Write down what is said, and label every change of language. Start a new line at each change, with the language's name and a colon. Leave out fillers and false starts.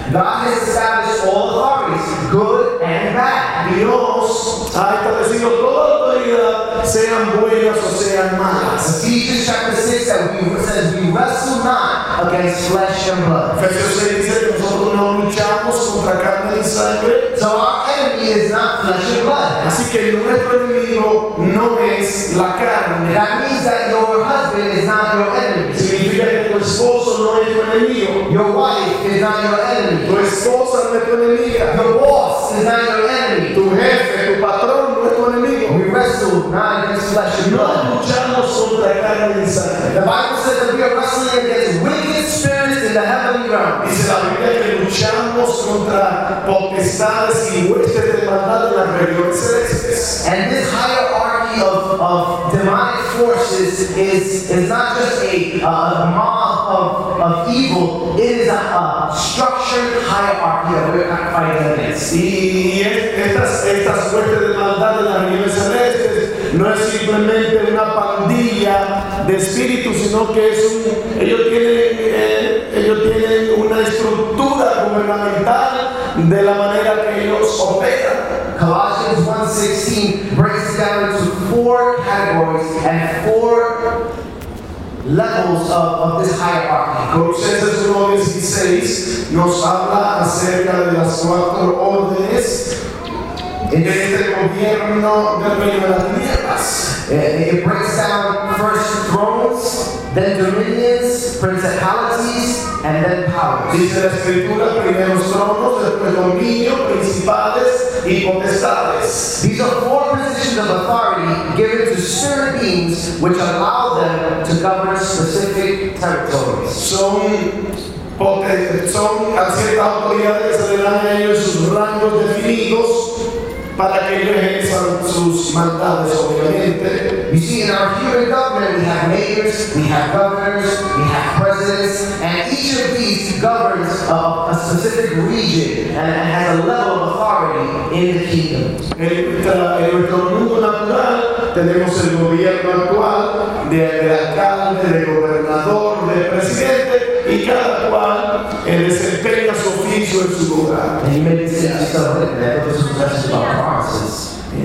English: God has established all authorities, good and bad.
Spanish: Dios ha establecido toda autoridad, sean buenas o sean malas.
English: Ephesians chapter 6 says, we wrestle not against flesh and blood.
Spanish: Efesios 6 dice que nosotros no luchamos contra carne y sangre.
English: So our enemy is not flesh and blood.
Spanish: Así que nuestro enemigo no es la carne.
English: That means that your husband is not your enemy.
Spanish: Significa que tu esposo no es tu enemigo.
English: Your wife is not your enemy.
Spanish: Tu esposa no es tu enemiga.
English: Your boss is not your enemy.
Spanish: Tu jefe, tu patrón no es tu enemigo.
English: We wrestle not against flesh and blood.
Spanish: No luchamos contra carne y sangre.
English: The Bible says that we are wrestling against wicked spirits in the heavenly realm.
Spanish: Dice la Biblia que luchamos contra potestades y huestes de maldad en las regiones celestes.
English: And this hierarchy of demonic forces is not just a mob of evil. It is a structured hierarchy that we're fighting against.
Spanish: Y estas huestes de maldad en las regiones celestes no es simplemente una pandilla de espíritus, sino que ellos tienen una estructura gubernamental de la manera que ellos operan.
English: Colossians 1:16 breaks and four levels of this hierarchy.
Spanish: Colosenses 1:16 nos habla acerca de las cuatro órdenes de este gobierno del reino de las tinieblas.
English: It breaks down first thrones, then dominions, principalities, and then powers.
Spanish: Dice la escritura, primero tronos, después dominio, principales y potestades.
English: These are four positions of authority given to certain beings which allow them to govern specific territories.
Spanish: Son ciertas autoridades que le dan a ellos sus rangos definidos para que ellos ejerzan sus mandatos, obviamente.
English: You see, in our human government, we have mayors, we have governors, we have presidents, and each of these governs a specific region and has a level of authority in the kingdom.
Spanish: En nuestro mundo natural, tenemos el gobierno actual de alcalde, de gobernador, de presidente, y cada cual desempeña su oficio en su lugar.
English: And you may say, I still think that this is just about promises.